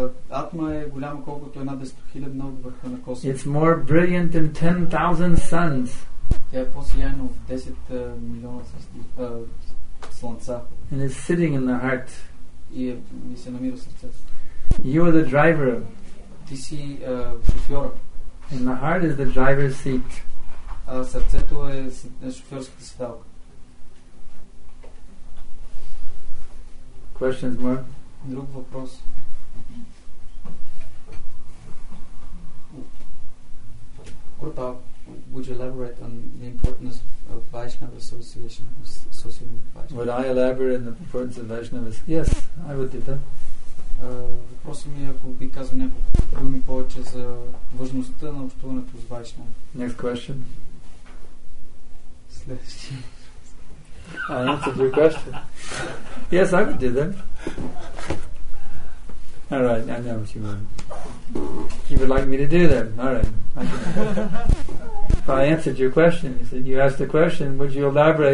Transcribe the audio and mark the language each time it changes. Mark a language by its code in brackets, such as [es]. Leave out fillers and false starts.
[bg] Атма е голяма колкото една 10,000 от върха на коса. [en] It's more brilliant than 10,000 suns. [bg] Тя е по-сияна от 10 милиона слънца. [en] And it's sitting in the heart. [bg] И се намира в сърцето. [en] You are the driver. [bg] Ти си шофьора. [en] And the heart is the driver's seat. [bg] Сърцето е шофьорската седалка. [en] Questions more? [bg] Друг въпрос. [en] Курта, would you elaborate on the importance of Vaishnava association? Would I elaborate on the importance of Vaishnavas? Yes, I would do that. [bg] Въпросът ми е, ако би казал няколко думи повече за важността на общуването с Вайшна. [en] Next question. [bg] Следващия. [en] I answered your question. Yes, I would do that. All right, I know what you mean. You would like me to do that. All right. I answered your question. You said, you asked the question, would you elaborate?